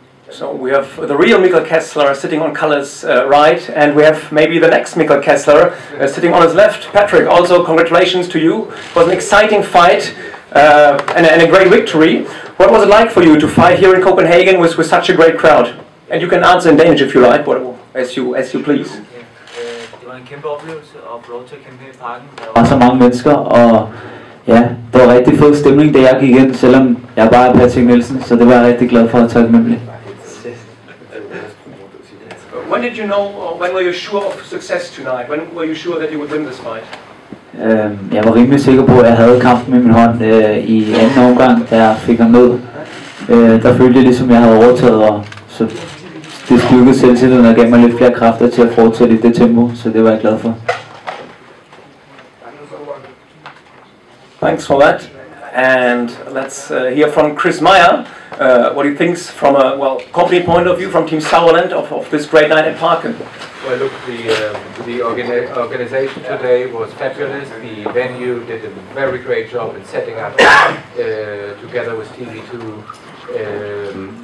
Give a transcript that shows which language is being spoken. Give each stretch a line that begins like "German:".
English: So we have the real Mikkel Kessler sitting on Kalle's right, and we have maybe the next Mikkel Kessler sitting on his left. Patrick, also congratulations to you. It was an exciting fight and a great victory. What was it like for you to fight here in Copenhagen with such a great crowd? And you can answer in Danish if you like, but as you please.
Danish: Det var en kæmpe oplevelse at få lov til at kæmpe i parken. Der var så mange mennesker, og ja, det var rigtig fed stemning, da jeg gik ind, selvom jeg bare er Patrick Nielsen, så det var jeg rigtig glad for at tage med mig.
English: When did you know, or when were you sure of success tonight? When were you sure that you would win this fight?
Danish: Jeg var rimelig sikker på, at jeg havde kampen i min hånd i anden omgang, da jeg fik ham ned. Der følte jeg ligesom, jeg havde overtaget, og så det styrkede selvtilliden og gav mig lidt flere kræfter til at fortsætte i det tempo, så det var jeg glad for.
English: Thanks for that, and let's hear from Chris Meyer what he thinks from a, well, company point of view, from Team Sauerland, of this great night at Parken. Well, look, the organization today was fabulous. The venue did a very great job in setting up together with TV2.